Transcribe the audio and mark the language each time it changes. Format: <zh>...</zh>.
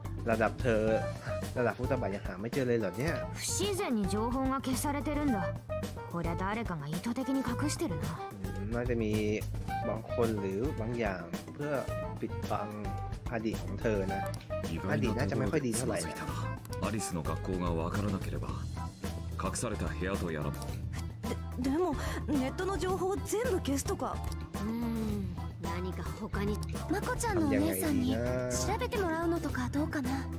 <th>ระดับเธอระดับ双葉ยังหาไม่เจอเลยเหรอเนี่ย</th> <ja>不自然に情報が消されてるんだこれは誰かが意図的に隠してるな</ja> <th>น่าจะมีบางคนหรือบางอย่างเพื่อปิดบังอดีตของเธอนะอดีตน่าจะไม่ค่อยดีเท่าไหร่</th> <ja>アリスの学校が分からなければ隠された部屋とやらもでもネットの情報を全部消すとか何か他にマコちゃんのお姉さんに調べてもらうのとかどうかな</ja>